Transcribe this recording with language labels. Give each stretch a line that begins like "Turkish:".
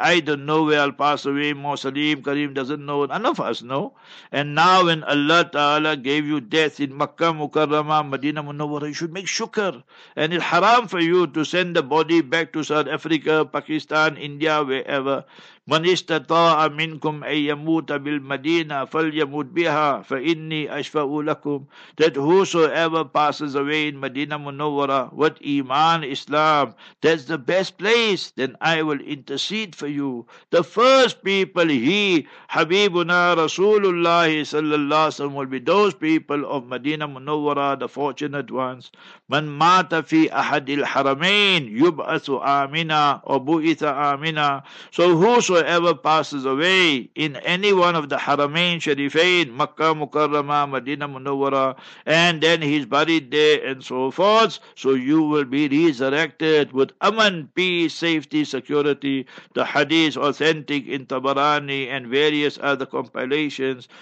English: I don't know where I'll pass away. Mosaleem Kareem doesn't know. None of us know. And now when Allah Ta'ala gave you death in Makkah Mukarramah, Medina Munawwarah, you should make shukr. And it's haram for you to send the body back to South Africa, Pakistan, India, wherever.
Arabic: من استطاع منكم أن يموت بالمدينة فليموت بها فإني أشفع لكم.
English: That whosoever passes away in Medina Munawwara, what Iman, Islam, that's the best place, then I will intercede for you. The first people, he, Habibuna Rasulullah sallallahu alaihi wasallam, will be those people of Medina Munawwara, the fortunate ones.
Arabic: من مات في أحد الحرمين يبعث آمنا وبعث آمنا.
English: So whosoever passes away in any one of the Haramain Sharifain, Makkah Mukarramah, Medina Munawwara, and then he's buried there and so forth, so you will be resurrected with aman, peace, safety, security. The hadith authentic in Tabarani and various other compilations.